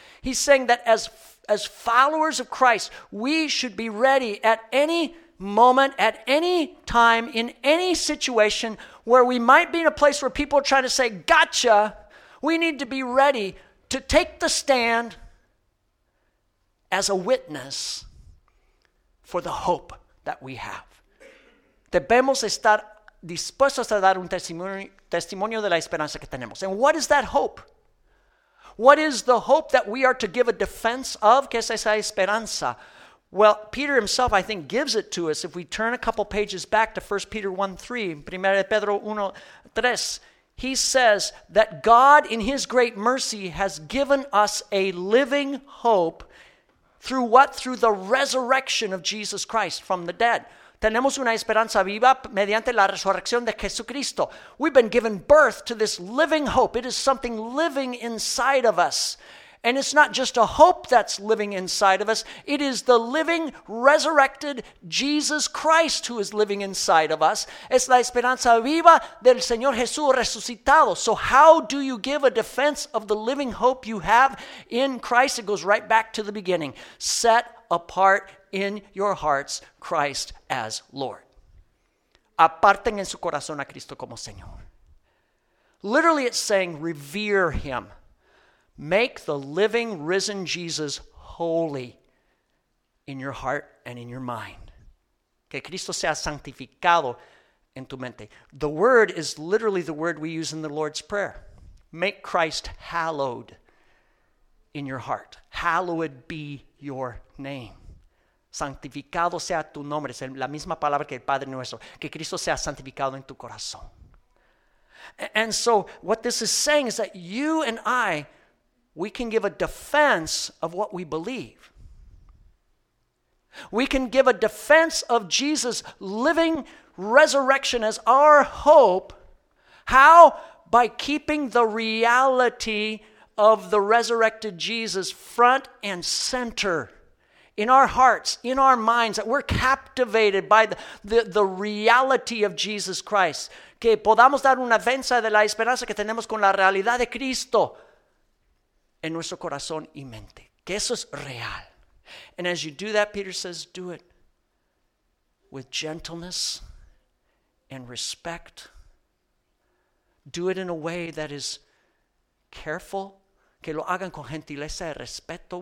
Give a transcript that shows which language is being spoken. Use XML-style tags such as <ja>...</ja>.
<en>He's saying that as followers of Christ, we should be ready at any moment, at any time, in any situation where we might be in a place where people are trying to say, gotcha, we need to be ready to take the stand as a witness for the hope that we have.</en> <es>Debemos estar dispuestos a dar un testimonio de la esperanza que tenemos.</es> <en>And what is that hope? What is the hope that we are to give a defense of?</en> <es>¿Qué es esa esperanza?</es> <en>Well, Peter himself, I think, gives it to us. If we turn a couple pages back to 1 Peter 1:3,</en> <es>1 Pedro 1:3,</es> <en>he says that God, in his great mercy, has given us a living hope through what? Through the resurrection of Jesus Christ from the dead.</en> <es>Tenemos una esperanza viva mediante la resurrección de Jesucristo.</es> <en>We've been given birth to this living hope. It is something living inside of us. And it's not just a hope that's living inside of us. It is the living, resurrected Jesus Christ who is living inside of us.</en> <es>Es la esperanza viva del Señor Jesús resucitado.</es> <en>So how do you give a defense of the living hope you have in Christ? It goes right back to the beginning. Set apart in your hearts Christ as Lord.</en> <es>Aparten en su corazón a Cristo como Señor.</es> <en>Literally it's saying revere him. Make the living, risen Jesus holy in your heart and in your mind.</en> <es>Que Cristo sea santificado en tu mente.</es> <en>The word is literally the word we use in the Lord's Prayer. Make Christ hallowed in your heart. Hallowed be your name.</en> <es>Santificado sea tu nombre. Es la misma palabra que el Padre nuestro. Que Cristo sea santificado en tu corazón.</es> <en>And so what this is saying is that you and I, we can give a defense of what we believe. We can give a defense of Jesus' living resurrection as our hope. How? By keeping the reality of the resurrected Jesus front and center in our hearts, in our minds, that we're captivated by the reality of Jesus Christ.</en> <es>Que podamos dar una defensa de la esperanza que tenemos con la realidad de Cristo en nuestro corazón y mente. Que eso es real.</es> <en>And as you do that, Peter says, do it with gentleness and respect. Do it in a way that is careful.</en> <es>Que lo hagan con gentileza y respeto,</es>